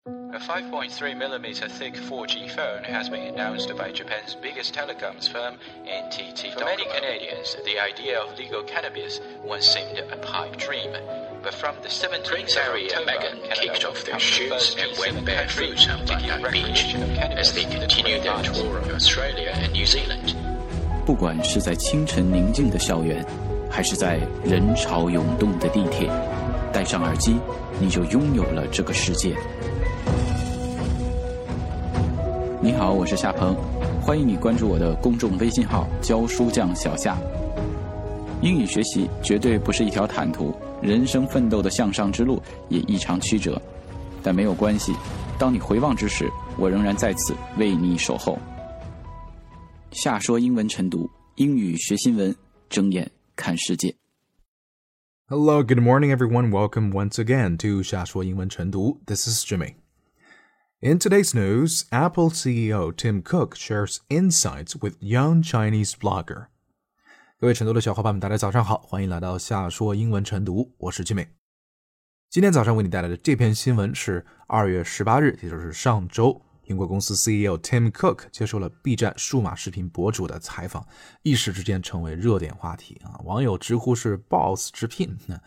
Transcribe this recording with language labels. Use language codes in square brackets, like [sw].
[en] A 5.3mm thick 4G phone has been announced by Japan's biggest telecoms firm, NTT Docomo. For many Canadians, the idea of legal cannabis once seemed a pipe dream. But from the 7th of October, Meghan kicked off their shoots and went barefoot on Bondi Beach as they continued their tour of Australia and New Zealand. [zh] 不管是在清晨宁静的校园，还是在人潮涌动的地铁，戴上耳机，你就拥有了这个世界。你好，我是夏鹏，欢迎你关注我的公众微信号教书匠小夏。英语学习绝对不是一条坦途，人生奋斗的向上之路也异常曲折，但没有关系，当你回望之时，我仍然在此为你守候。夏说英文晨读，英语学新闻，睁眼看世界。 [en] Hello, good morning everyone, welcome once again to 夏说英文晨读， this is Jimmy. In today's news, Apple CEO Tim Cook shares insights with young Chinese blogger. [zh] 各位晨读的小伙伴们，大家早上好，欢迎来到夏说英文晨读，我是 Jimmy。今天早上为你带来的这篇新闻是2月18日，也就是上周，苹果公司 CEO Tim Cook 接受了 B 站数码视频博主的采访，一时之间成为热点话题，网友直呼是 Boss 直聘。